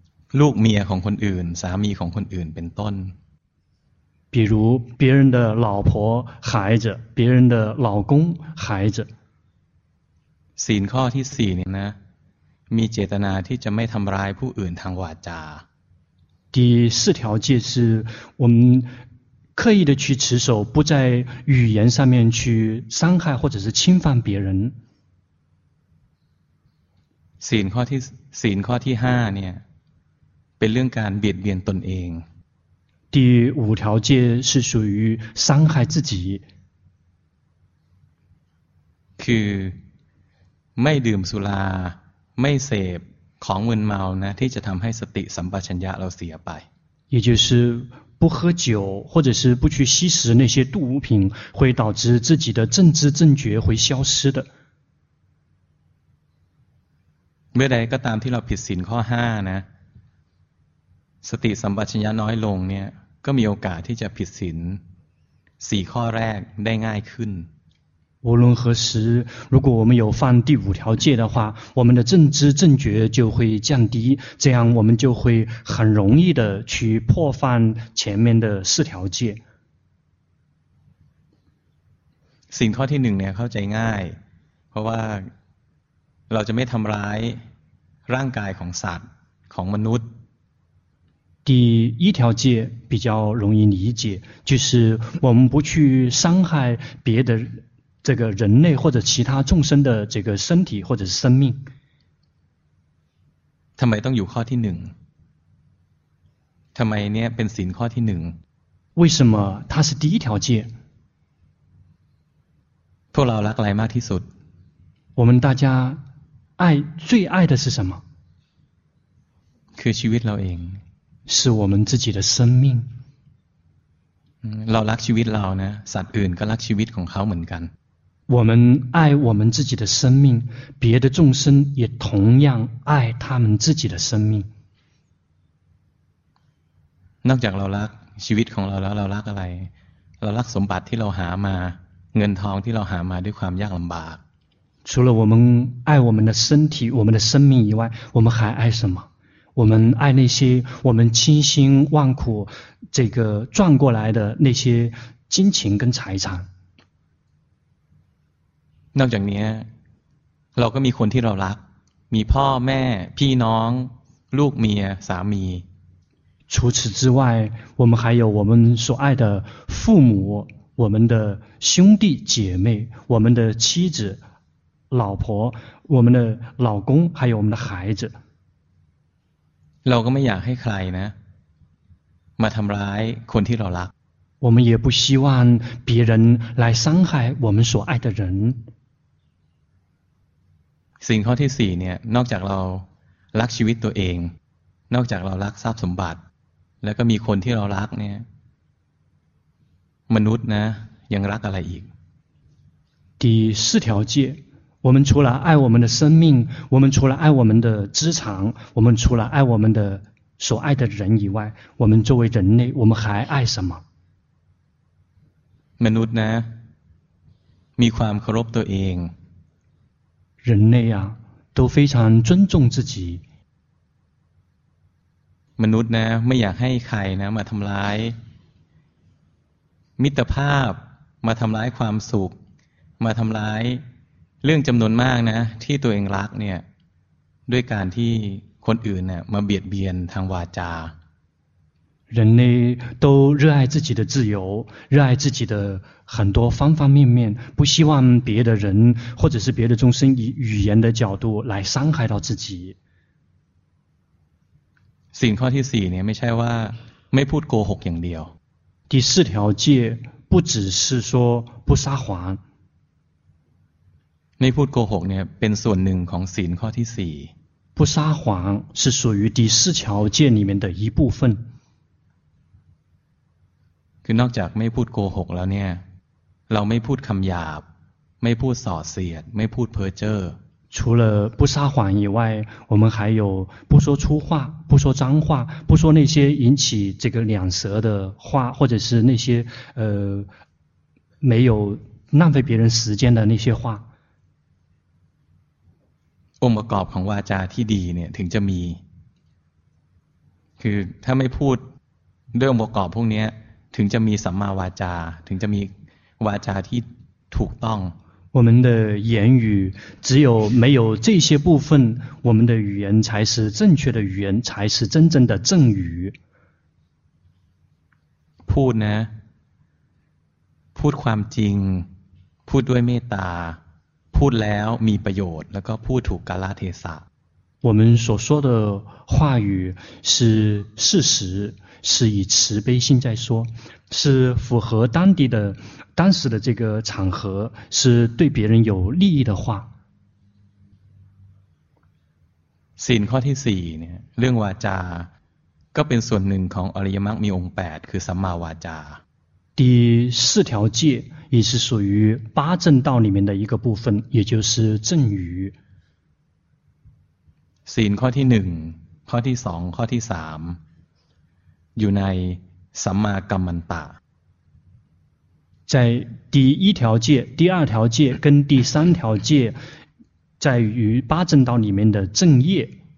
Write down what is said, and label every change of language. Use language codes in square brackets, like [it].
[th] ลูกเมียของคนอื่นสามีของคนอื่นเป็นต้น [zh] 比如别人的老婆孩子别人的老公孩子 [th] ศีลข้อที่4เนี่ยนะมีเจตนาที่จะไม่ทำร้ายผู้อื่นทางวาจา [zh] 第四条戒是我们刻意的去持守不在语言上面去伤害或者是侵犯别人 [th] ศีลข้อที่5เนี่ยเป็นเรื่องการเบียดเบียนตนเอง [zh] 第五条戒是属于伤害自己 [th] คือไม่ดื่มสุราไม่เสพของมึนเมานะที่จะทำให้สติสัมปชัญญะเราเสียไป [zh] 也就是不喝酒或者是不去吸食那些毒品会导致自己的正知正觉会消失的 [th] เมื่อใดก็ตามที่เราผิดศีลข้อ5นะสติสัมปชัญญะน้อยลงเนี่ยก็มีโอกาสที่จะผิดศีล4ข้อแรกได้ง่ายขึ้น [zh] 无论何时如果我们有犯第五条戒的话我们的正知正觉就会降低这样我们就会很容易的去破犯前面的四条戒 [th] สิ่งข้อที่1เนี่ยเข้าใจง่ายเพราะว่าเราจะไม่ทำร้ายร่างกายของสัตว์ของมนุษย์ [zh] 第一条戒比较容易理解就是我们不去伤害别的这个人类或者其他众生的这个身体或者是生命 [th] ทำไมต้องอยู่ข้อที่หนึ่งทำไมเนี่ยเป็นศีลข้อที่หนึ่ง [zh] 为什么它是第一条戒 [th] พวกเรารักอะไรมากที่สุด [zh] 我们大家爱最爱的是什么 [th] คือชีวิตเราเอง [zh] 是我们自己的生命 [th] เรารักชีวิตเรานะสัตว์อื่นก็รักชีวิตของเขาเหมือนกัน [zh] 我们爱我们自己的生命，别的众生也同样爱他们自己的生命。 [th] นอกจากเรารักชีวิตของเราแล้วเรารักอะไรเรารักสมบัติที่เราหามาเงินทองที่เราหามาด้วยความยากลำบาก [zh] 除了我们爱我们的身体我们的生命以外我们还爱什么我们爱那些我们千辛万苦这个赚过来的那些金钱跟财产 [th] นอกจากนี้เราก็มีคนที่เรารักมีพ่อแม่พี่น้องลูกเมียสามี [zh] 除此之外我们还有我们所爱的父母我们的兄弟姐妹我们的妻子老婆我们的老公还有我们的孩子 [th] เราก็ไม่อยากให้ใครนะมาทำร้ายคนที่เรารัก [zh] 我们也不希望别人来伤害我们所爱的人 [th] สิ่งข้อที่สี่เนี่ยนอกจากเรารักชีวิตตัวเองนอกจากเรารักทรัพย์สมบัติแล้วก็มีคนที่เรารักเนี่ยมนุษย์นะยังรักอะไรอีก [zh] 第四条戒我们除了爱我们的生命我们除了爱我们的资产我们除了爱我们的所爱的人以外我们作为人类我们还爱什么 [th] มนุษย์นะมีความเคารพตัวเอง [zh] 人类啊都非常尊重自己 [th] มนุษย์นะไม่อยากให้ใครนะมาทำร้ายมิตรภาพมาทำร้ายความสุขมาทำร้ายเรื่องจำนวนมากนะที่ตัวเองรักเนี่ยด้วยการที่คนอื่นเนี่ยมาเบียดเบียนทางวาจา [zh] 人类都热爱自己的自由热爱自己的很多方方面面不希望别的人或者是别的众生以语言的角度来伤害到自己 [th] สิ่งข้อที่สี่เนี่ยไม่ใช่ว่าไม่พูดโกหกอย่างเดียว [zh] 第四条戒不只是说不撒谎 [th] ไม่พูดโกหกเนี่ยเป็นส่วนหนึ่งของศีลข้อที่สี่ [zh] 不撒谎是属于第四条戒里面的一部分 [th] คือนอกจากไม่พูดโกหกแล้วเนี่ยเราไม่พูดคำหยาบไม่พูดส่อเสียดไม่พูดเพ้อเจ้อ [zh] 除了不撒谎以外我们还有不说粗话不说脏话不说那些引起这个两舌的话或者是那些没有浪费别人时间的那些话 [th] องค์ประกอบของวาจาที่ดีเนี่ยถึงจะมีคือถ้าไม่พูดด้วยองค์ประกอบพวกนี้ถึงจะมีสัมมาวาจาถึงจะมีวาจาที่ถูกต้อง [zh] 我们的言语只有没有这些部分我们的语言才是正确的语言才是真正的正语 [th] พูดนะพูดความจริงพูดด้วยเมตตาพูดแล้วมีประโยชน์แล้วก็พูดถูกกาลเทศะ [zh] 我们所说的话语是事实是以慈悲心在说是符合当地的当时的这个场合是对别人有利益的话 [th] สิ่งข้อที่สี่เนี่ยเรื่องวาจาก็เป็นส่วนหนึ่งของอริยมรรคมีองค์แปดคือสัมมาวาจา [zh] 第四条戒也是属于八正道里面的一个部分也就是正语 [th] สิ่งข้อที่หนึ่งข้อที่สองข้อที่สามอยู่ในสัมมากัมมันตะ [zh] 在第一条戒第二条戒跟第三条戒在于八正道里面的正业